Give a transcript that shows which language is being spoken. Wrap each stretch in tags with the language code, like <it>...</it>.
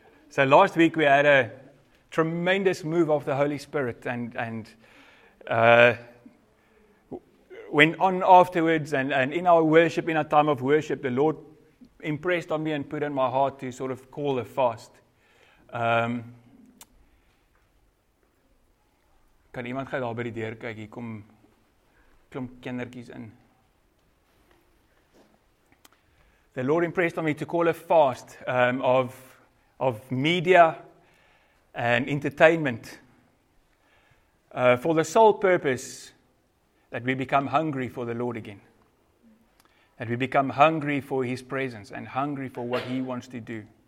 <en>So last week we had a tremendous move of the Holy Spirit and went on afterwards and in our worship, in our time of worship, the Lord impressed on me and put in my heart to sort of call a fast.</en> <af>Kan iemand gou daar by die deur kyk? Hier kom klomp kindertjies in.</af> <en>The Lord impressed on me to call a fast of media and entertainment for the sole purpose that we become hungry for the Lord again. That we become hungry for His presence and hungry for what He wants to do.</en>